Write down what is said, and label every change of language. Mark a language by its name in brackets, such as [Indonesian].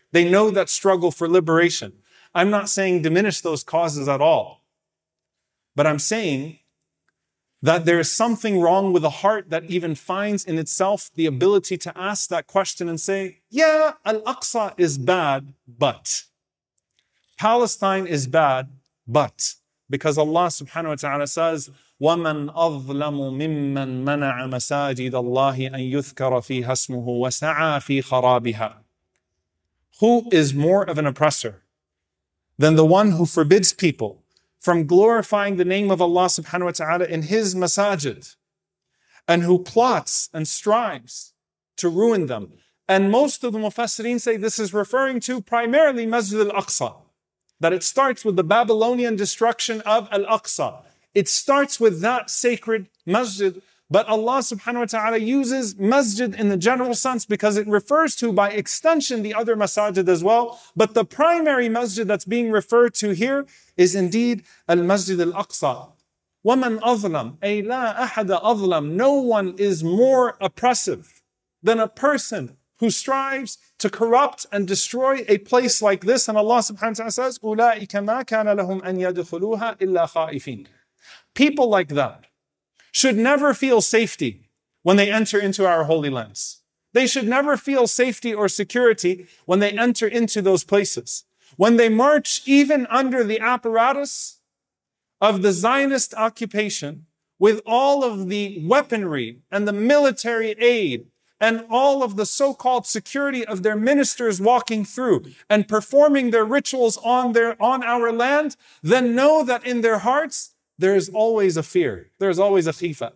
[English] They know that struggle for liberation. I'm not saying diminish those causes at all. But I'm saying that there is something wrong with a heart that even finds in itself the ability to ask that question and say, yeah, Al-Aqsa is bad, but. Palestine is bad, but. Because Allah subhanahu wa ta'ala says, [Arabic] وَمَنْ أَظْلَمُ مِمَّنْ مَنَعَ مَسَاجِدَ اللَّهِ أَنْ يُذْكَرَ فِيهَا اسْمُهُ وَسَعَى فِي خَرَابِهَا. [English] Who is more of an oppressor than the one who forbids people from glorifying the name of Allah subhanahu wa ta'ala in his masajid, and who plots and strives to ruin them? And most of the mufassirin say this is referring to primarily Masjid al-Aqsa, that it starts with the Babylonian destruction of al-Aqsa. It starts with that sacred masjid, but Allah subhanahu wa ta'ala uses masjid in the general sense because it refers to, by extension, the other masajid as well. But the primary masjid that's being referred to here is indeed al-masjid al-Aqsa. [Arabic] وَمَنْ أَظْلَمْ أَيْ لَا أَحَدَ أَظْلَمْ. [English] No one is more oppressive than a person who strives to corrupt and destroy a place like this. And Allah subhanahu wa ta'ala says, [Arabic] أُولَٰئِكَ مَا كَانَ لَهُمْ أَنْ يَدْخُلُوهَا إِلَّا خَائِفِينَ. [English] People like that should never feel safety when they enter into our holy lands. They should never feel safety or security when they enter into those places. When they march even under the apparatus of the Zionist occupation with all of the weaponry and the military aid and all of the so-called security of their ministers walking through and performing their rituals on our land, then know that in their hearts, there is always a fear. There is always a khifa.